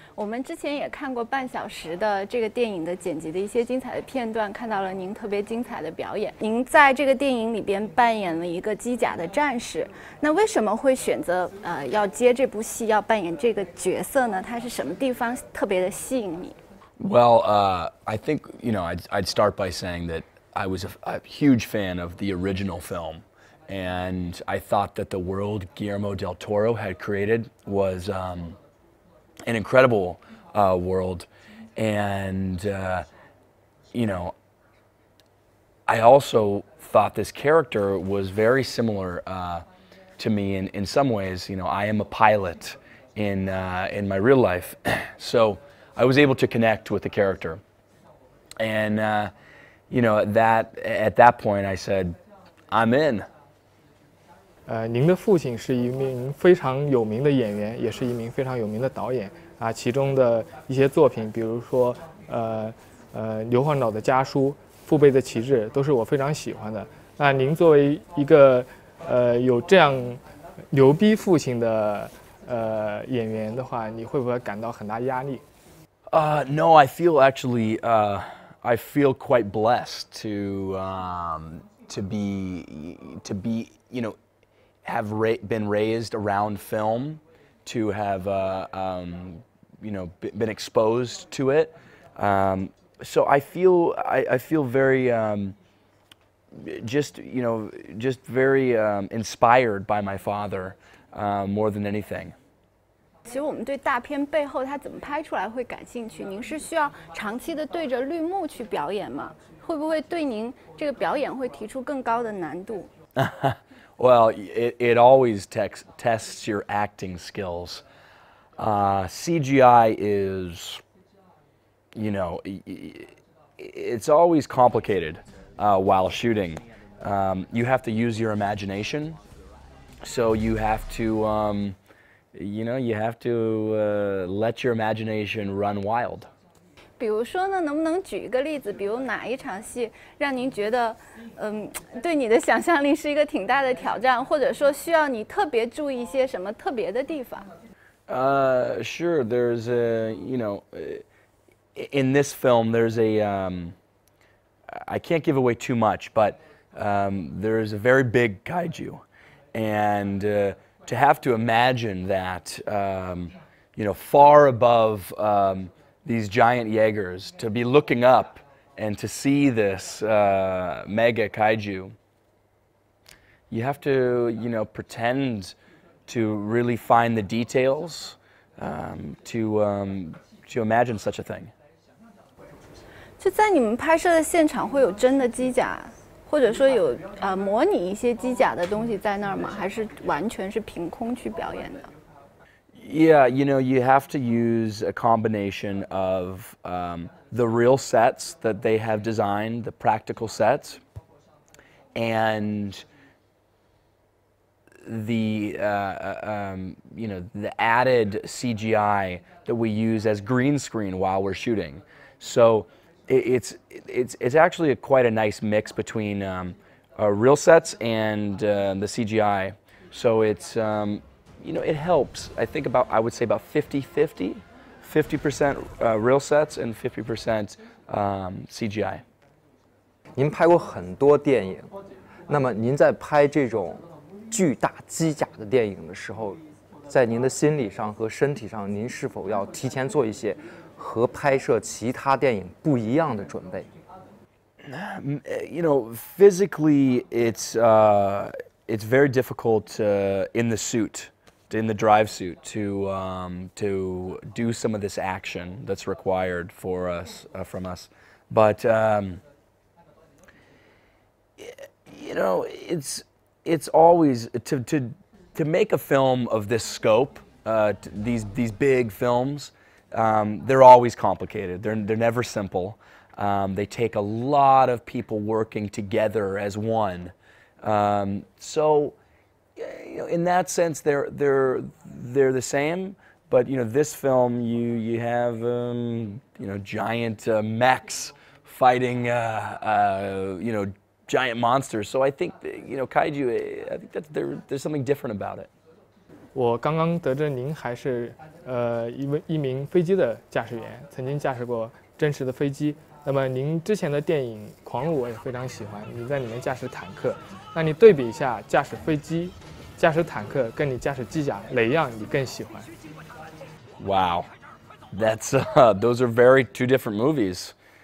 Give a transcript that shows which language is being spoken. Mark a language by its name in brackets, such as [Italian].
[Chinese] 我们之前也看过半小时的这个电影的剪辑的一些精彩的片段，看到了您特别精彩的表演。您在这个电影里边扮演了一个机甲的战士，那为什么会选择要接这部戏，要扮演这个角色呢？它是什么地方特别的吸引你 [English] ？Well, I think you know, I'd start by saying that I was a huge fan of the original film. And I thought that the world Guillermo del Toro had created was an incredible world. And, you know, I also thought this character was very similar to me in some ways. You know, I am a pilot in my real life. So I was able to connect with the character. And, you know, at that point I said, I'm in. [Chinese] 您的父亲是一名非常有名的演员，也是一名非常有名的导演啊。其中的一些作品，比如说，《硫磺岛的家书》《父辈的旗帜》，都是我非常喜欢的。那您作为一个有这样牛逼父亲的演员的话，你会不会感到很大压力？ [English] No, I feel actually, I feel quite blessed to be, you know, have been raised around film, to have, you know, been exposed to it. So I feel very, just very inspired by my father, more than anything. [Chinese] 其实我们对大片背后它怎么拍出来会感兴趣，您是需要长期的对着绿幕去表演吗？会不会对您这个表演会提出更高的难度？ [English] Well, it always tests your acting skills. CGI is, you know, it's always complicated while shooting. You have to use your imagination, so you have to... You know, you have to let your imagination run wild. [Chinese] 比如说呢，能不能举一个例子？比如哪一场戏让您觉得，对你的想象力是一个挺大的挑战，或者说需要你特别注意一些什么特别的地方？ [English] Sure. There's a, you know, in this film, there's a, I can't give away too much, but there's a very big kaiju, and. To have to imagine that, you know, far above these giant Jaegers, to be looking up and to see this mega kaiju, you have to, you know, pretend to really find the details to imagine such a thing. [Chinese] 就在你们拍摄的现场会有真的机甲？或者说有模拟一些机甲的东西在那儿吗？还是完全是凭空去表演的 [English] ？Yeah, you know, you have to use a combination of the real sets that they have designed, the practical sets, and the you know, the added CGI that we use as green screen while we're shooting. So. It's actually quite a nice mix between real sets and the CGI. So it's, you know, it helps. I would say about 50-50, 50% real sets and 50% CGI. [Chinese] 您拍过很多电影，那么您在拍这种巨大机甲的电影的时候，在您的心理上和身体上，您是否要提前做一些和拍摄其他电影不一样的准备？ [English] You know, physically, it's very difficult in the suit, in the drive suit, to do some of this action that's required for us, from us. But, you know, it's always, to make a film of this scope, these big films,they're always complicated. They're never simple. They take a lot of people working together as one. So, you know, in that sense, they're the same. But you know, this film, you have you know, giant mechs fighting you know, giant monsters. So I think, you know, kaiju. I think that there's something different about it. [Chinese] 我刚刚得知您还是一名飞机的驾驶员，曾经驾驶过真实的飞机。那么您之前的电影《狂怒》我也非常喜欢，你在里面驾驶坦克，那你对比一下驾驶飞机、驾驶坦克跟你驾驶机甲，哪样你更喜欢？ [English] Wow, that's those are very two different movies.